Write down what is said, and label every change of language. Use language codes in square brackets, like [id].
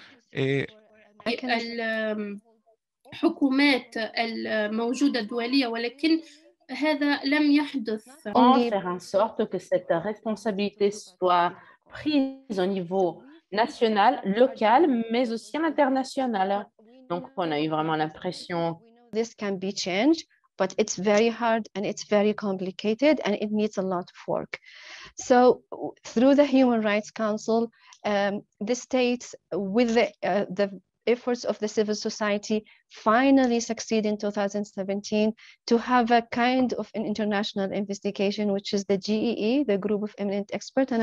[ar] E الحكومات الموجودة الدولية ولكن هذا لم يحدث. [fr] On va faire en sorte que cette responsabilité soit prise au niveau national, local, mais aussi international. Donc, on a eu vraiment l'impression. [en] This can be changed, but it's very hard and it's very complicated and it needs a lot of work. So, through the Human Rights Council, the states, with the efforts of the civil society, finally succeeded in 2017 to have a kind of an international investigation, which is the GEE, the Group of Eminent Experts.